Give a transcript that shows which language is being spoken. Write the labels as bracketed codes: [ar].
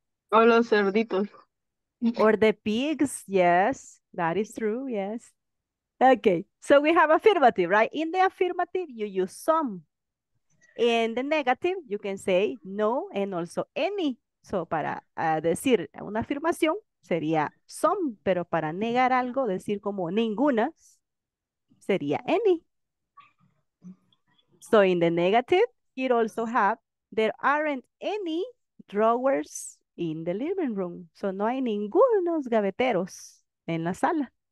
[es] Or los cerditos. [en] Or the pigs. Yes, that is true. Yes. Okay. So we have affirmative, right? In the affirmative, you use some. In the negative, you can say no and also any. [es] So, para decir una afirmación, sería some. Pero para negar algo, decir como ninguna, sería any. [en] So, in the negative, it also have, there aren't any drawers in the living room. [es] So, no hay ningunos gaveteros en la sala.